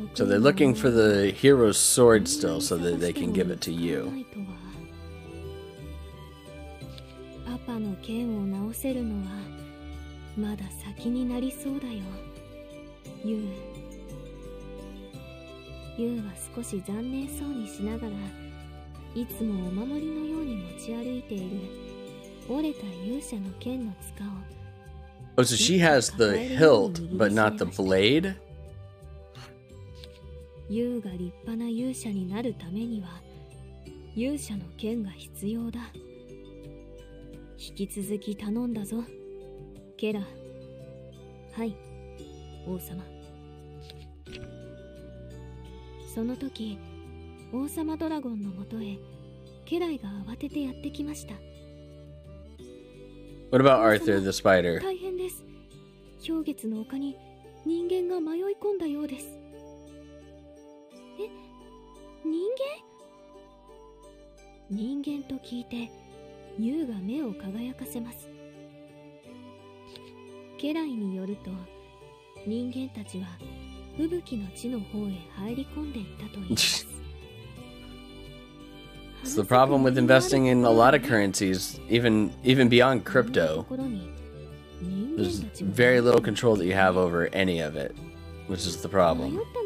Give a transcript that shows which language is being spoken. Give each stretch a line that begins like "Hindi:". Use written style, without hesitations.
English: に。 So they're looking for the hero's sword still so that they can give it to you.
Japanese: パパの剣を直せるのはまだ先になりそうだよ、勇。ユウは少し残念そうにしながら、いつもお守りのように持ち歩いている折れた勇者の剣の柄を。
English: Oh, so she has the hilt, but not the blade?
Japanese: ユウが立派な勇者になるためには、勇者の剣が必要だ。引き続き頼んだぞ、ケラ。はい、王様。その時、王様ドラゴンのもとへ、ケライが慌ててやってきました。
English: What about Arthur the spider?
Japanese: 大変です。氷月の丘に人間が迷い込んだようです。え、人間？人間と聞いて、ユウが目を輝かせます。ケライによると、人間たちは吹雪の地の方へ入り込んでいったといいます。
English: It's the problem with investing in a lot of currencies, even beyond crypto. There's very little control that you have over any of it, which is the problem.